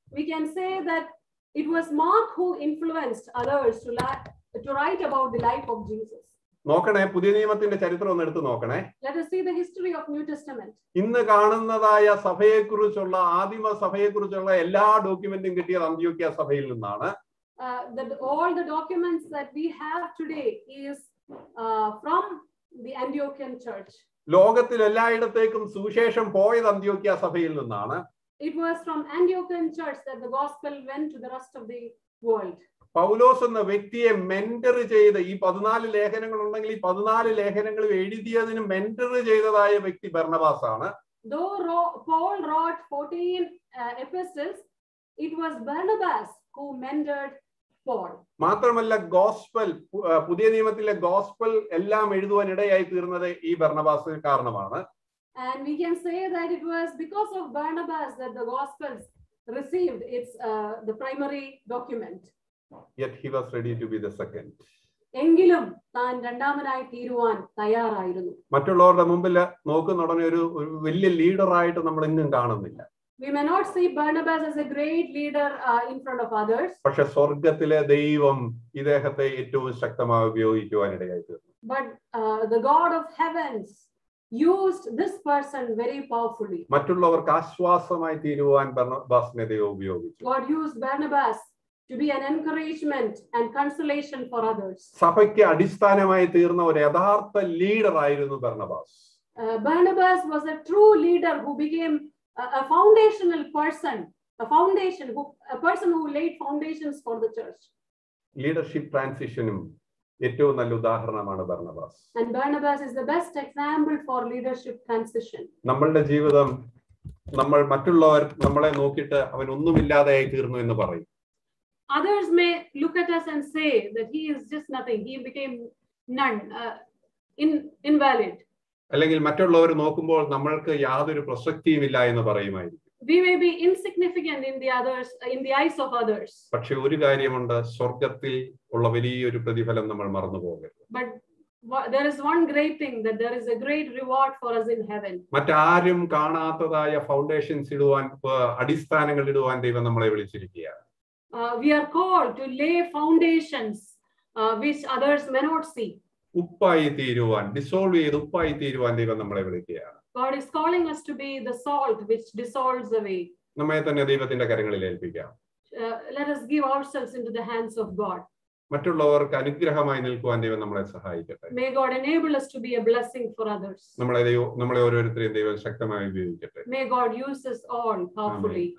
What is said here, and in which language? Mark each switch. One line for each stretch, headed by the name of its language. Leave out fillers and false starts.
English: We can say that it was Mark who influenced others to write about the life of Jesus.
Malayalam: നോക്കണേ പുതിയ നിയമത്തിന്റെ ചരിത്രം ഒന്ന് എടുത്തു നോക്കണേ.
English: Let us see the history of New Testament.
Malayalam: ഇന്ന് കാണുന്നതായ സഭയെക്കുറിച്ചുള്ള ആദിമ സഭയെക്കുറിച്ചുള്ള എല്ലാ ഡോക്യുമെന്റും കിട്ടിയത് അന്ത്യോക്യ സഭയിൽ നിന്നാണ്.
English: All the documents that we have today is from the Antiochian church.
Malayalam: ലോകത്തിൽ എല്ലായിടത്തേക്കും സുവിശേഷം പോയത് അന്ത്യോക്യ സഭയിൽ നിന്നാണ്.
English: It was from Antiochian church that the gospel went to the rest of the world.
Malayalam: പൗലോസ് എന്ന വ്യക്തിയെ മെന്റർ ചെയ്ത ഈ 14 ലേഖനങ്ങൾ ഉണ്ടെങ്കിൽ ഈ 14 ലേഖനങ്ങളും എഴുതിയതിന് മെന്റർ ചെയ്തതായ വ്യക്തി ബർണബാസ് ആണ്.
English: Paul wrote 14 epistles. It was Barnabas who mentored Paul.
Malayalam: മാത്രമല്ല ഗോസ്പൽ പുതിയ നിയമത്തിലെ ഗോസ്പൽ എല്ലാം എഴുതുവാൻ ഇടയായി തീർന്നത് ഈ ബർണബാസ് കാരണമാണ്.
English: And we can say that it was because of Barnabas that the Gospels received its the primary document. Yet he was ready to be the second.
Malayalam: എങ്കിലും താൻ രണ്ടാമനായി തീരുവാൻ തയ്യാറായിരുന്നു. മറ്റുള്ളവരുടെ മുമ്പിൽ നോക്കുന്ന ഉടനെ ഒരു വലിയ ലീഡർ ആയിട്ട് നമ്മൾ ഇന്നും കാണുന്നില്ല.
English: We may not see Barnabas as a great leader in front of others.
Malayalam: പക്ഷേ സ്വർഗ്ഗത്തിലെ ദൈവം ഇദ്ദേഹത്തെ ഏറ്റവും ശക്തമായി ഉപയോഗിക്കുവാൻ ഇടയായി തീർന്നു.
English: But the God of heavens used this person very powerfully.
Malayalam: മറ്റുള്ളവർക്ക് ആശ്വാസമായി തീരുവാൻ ബർണബാസിനെ ദൈവം ഉപയോഗിച്ചു.
English: God used Barnabas to be an encouragement and consolation for others.
Malayalam: സഭയ്ക്ക് അടിസ്ഥാനമായി തീർന്ന ഒരു യഥാർത്ഥ ലീഡർ ആയിരുന്നു Barnabas.
English: Barnabas was a true leader who became a foundational person, a person who laid foundations for the church.
Malayalam: Leadership transitionum ഏറ്റവും നല്ല ഉദാഹരണമാണ് Barnabas.
English: And Barnabas is the best example for leadership transition.
Malayalam: നമ്മളുടെ ജീവിതം നമ്മൾ മറ്റുള്ളവർ നമ്മളെ നോക്കിയിട്ട് അവൻ ഒന്നുമില്ലാതെ ആയി തീർന്നു എന്ന് പറയും.
English: Others may look at us and say that he is just nothing, he became none, invalid.
Malayalam: അല്ലെങ്കിൽ മറ്റുള്ളവർ നോക്കുമ്പോൾ നമ്മൾക്ക് യാതൊരു പ്രസക്തിയും ഇല്ല എന്ന് പറയുമായിരിക്കും.
English: We may be insignificant in the eyes of others.
Malayalam: പക്ഷേ ഒരു കാര്യമുണ്ട് സ്വർഗ്ഗത്തിൽ ഉള്ള വലിയൊരു പ്രതിഫലം നമ്മൾ മറന്നു പോകരുത്.
English: But there is one great thing that there is a great reward for us in heaven.
Malayalam: മറ്റാരും കാണാത്തതായ ഫൗണ്ടേഷൻസ് ഇടുവാൻ അടിസ്ഥാനങ്ങൾ ഇടുവാൻ ദൈവം നമ്മളെ വിളിച്ചിരിക്കുകയാണ്.
English: We are called to lay foundations which others may not see.
Malayalam: ഉപ്പായി തീരുവാൻ ഡിസോൾവ് ചെയ്ത് ഉപ്പായി തീരുവാൻ ദൈവം നമ്മളെ വിളിക്കുകയാണ്.
English: God is calling us to be the salt which dissolves away.
Malayalam: നമ്മയെ തന്നെ ദൈവത്തിന്റെ കരങ്ങളിൽ ഏൽപ്പിക്കാം.
English: Let us give ourselves into the hands of God.
Malayalam: മറ്റുള്ളവർക്ക് അനുഗ്രഹമായി നിൽക്കുവാൻ ദൈവം നമ്മളെ സഹായിക്കട്ടെ.
English: May God enable us to be a blessing for others.
Malayalam: നമ്മളെ ഓരോരുത്തരെയും ദൈവം ശക്തമായി ഉപയോഗിക്കട്ടെ.
English: May God use us all powerfully.